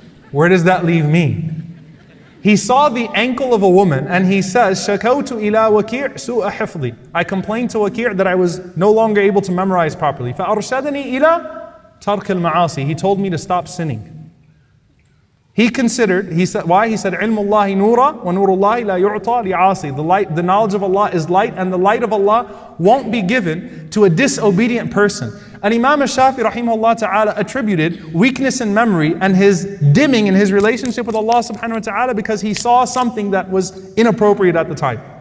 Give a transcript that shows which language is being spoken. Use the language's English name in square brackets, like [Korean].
[English] Where does that leave me? He saw the ankle of a woman and he says, [Arabic] شَكَوْتُ إِلَىٰ وَكِيعْ سُوءَ حِفْظِي [English] I complained to Wakir that I was no longer able to memorize properly. [Arabic] فَأَرْشَدَنِي إِلَىٰ تَرْكِ الْمَعَاصِي [English] He told me to stop sinning. He considered, he said, why? He said, [Arabic] عِلْمُ اللَّهِ نُورًا وَنُورُ اللَّهِ لَا يُعْطَى لِعَاصِي. [English] The light, the knowledge of Allah is light, and the light of Allah won't be given to a disobedient person. And Imam al-Shafi rahimahullah ta'ala attributed weakness in memory and his dimming in his relationship with Allah subhanahu wa ta'ala because he saw something that was inappropriate at the time.